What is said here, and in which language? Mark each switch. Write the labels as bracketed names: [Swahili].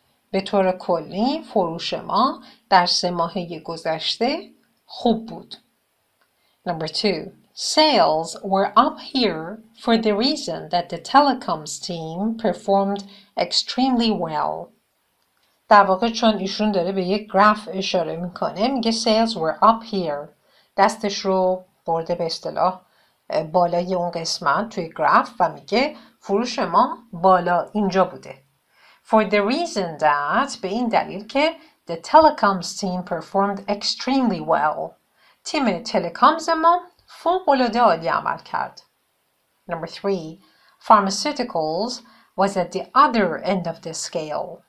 [Persian] به طور کلی فروش ما در 3 ماهه گذشته خوب بود. [English] Number 2. Sales were up here for the reason that the telecoms team performed extremely well. [Persian] در واقع چون ایشون داره به یک گراف اشاره میکنه میگه [English] sales were up here. [Persian] دستش رو برده به اصطلاح بالای اون قسمت توی گراف و میگه فروش ما بالا اینجا بوده. [English] For the reason that, [Persian] به این دلیل که [English] the telecoms team performed extremely well. [Persian] تیم تلکامز ما فوق‌العاده عالی عمل کرد. [English] Number 3. Pharmaceuticals was at the other end of the scale.